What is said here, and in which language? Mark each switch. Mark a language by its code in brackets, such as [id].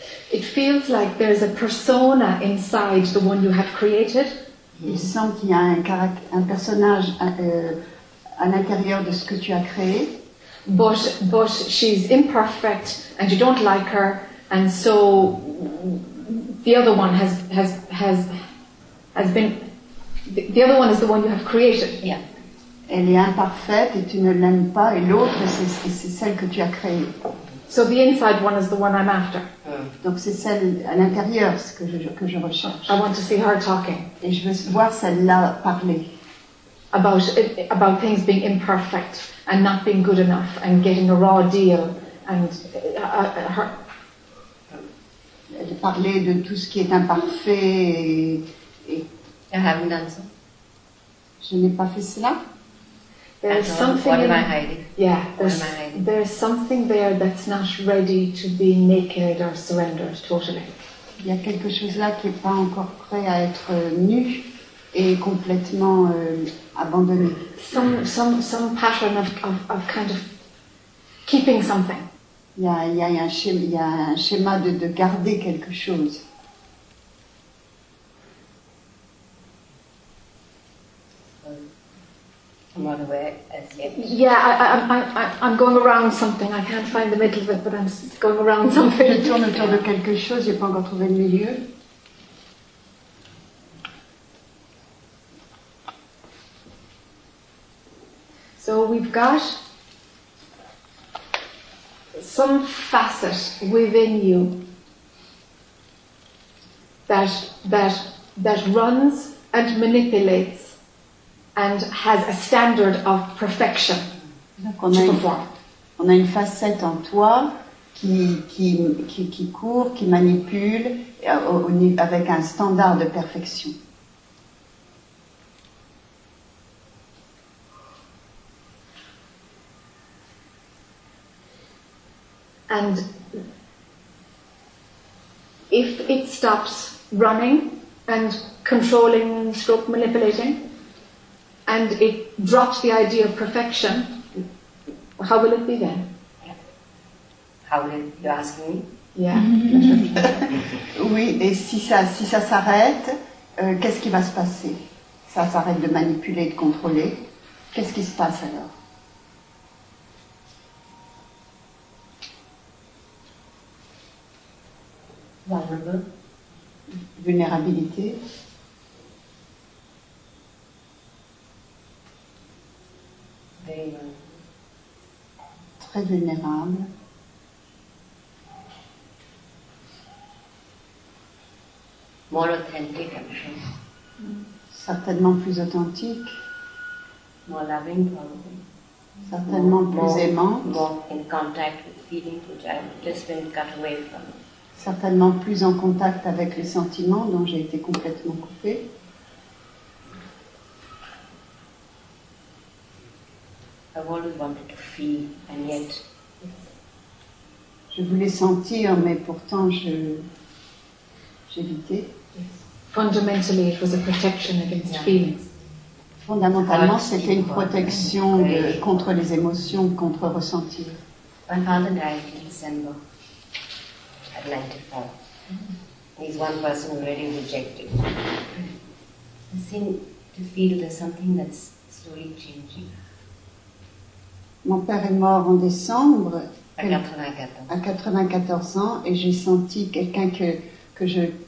[en] It feels like there's a persona inside the one you have created. [fr] Il sent qu'il y a un personnage à l'intérieur de ce que tu as créé. [en] But she's imperfect and you don't like her, and so the other one has been. The other one is the one you have created. Yeah. [fr] Elle est imparfaite et tu ne l'aimes pas, et l'autre, c'est celle que tu as créée. [en] So the inside one is the one I'm after. [fr] Donc c'est celle à l'intérieur que je recherche. [en] I want to see her talking. [fr] Et je veux voir celle-là parler. [en] About things being imperfect and not being good enough and getting a raw deal. [fr] De parler de tout ce qui est imparfait et... [en] I haven't done so. [fr] Je n'ai pas fait cela. [en] There's something. What am I hiding? Yeah, what am I hiding? There's something there that's not ready to be naked or surrendered totally. [fr] Il y a quelque chose là qui est pas encore prêt à être nu et complètement abandonné. [en] Some pattern of kind of keeping something. [fr] Il y a un schéma de garder quelque chose. [en] I'm going around something. I can't find the middle of it, but I'm going around something. [fr] Je tourne autour de quelque chose. J'ai pas encore trouvé le milieu. [en] So we've got some facet within you that runs and manipulates and has a standard of perfection to perform. [fr] On a une facette en toi qui court, qui manipule avec un standard de perfection. [en] And if it stops running and controlling, stroke manipulating, and it drops the idea of perfection, how will it be then? How will it, you're asking me? Yeah. [fr] Oui, et si ça s'arrête, qu'est-ce qui va se passer? Ça s'arrête de manipuler, de contrôler. Qu'est-ce qui se passe alors? Vulnérabilité. Très vulnérable. [en] More authentic, I'm sure. [fr] Certainement plus authentique. [en] More loving, probably. [fr] Certainement plus aimant. [en] More in contact with feelings, which I've just been cut away from. [fr] Certainement plus en contact avec les sentiments dont j'ai été complètement coupée. [en] I've always wanted to feel, and yet. [fr] Je voulais sentir, mais pourtant j'évitais. [en] Fundamentally, it was a protection against feelings. [fr] Fondamentalement, c'était une protection contre les émotions, contre ressentir. [en] My father died in December. At 94. He's one person already rejected. I seem to feel there's something that's slowly changing. [fr] Mon père est mort en décembre. À 94. À 94 ans, et j'ai senti quelqu'un que je